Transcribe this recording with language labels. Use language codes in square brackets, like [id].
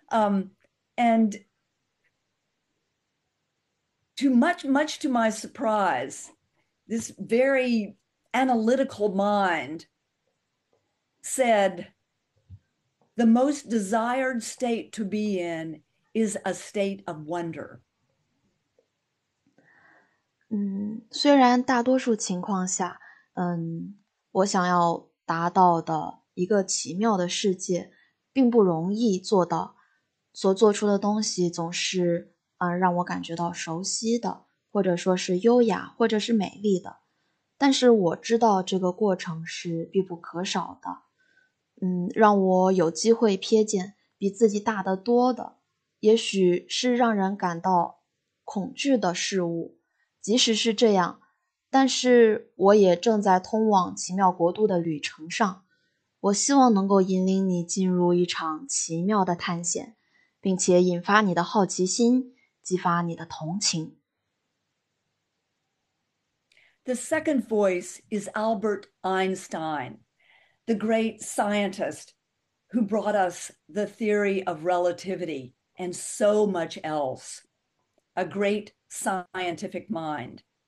[en] And to much to my surprise, this very analytical mind said the most desired state to be in is a state of wonder. [zh] 虽然大多数情况下，我想要达到的一个奇妙的世界，并不容易做到。所做出的东西总是，让我感觉到熟悉的，或者说是优雅，或者是美丽的。但是我知道这个过程是必不可少的。让我有机会瞥见比自己大得多的，也许是让人感到恐惧的事物。即使是这样，但是我也正在通往奇妙国度的旅程上。我希望能够引领你进入一场奇妙的探险，并且引发你的好奇心，激发你的同情。 [en] The second voice is Albert Einstein, the great scientist who brought us the theory of relativity and so much else, a great scientific mind.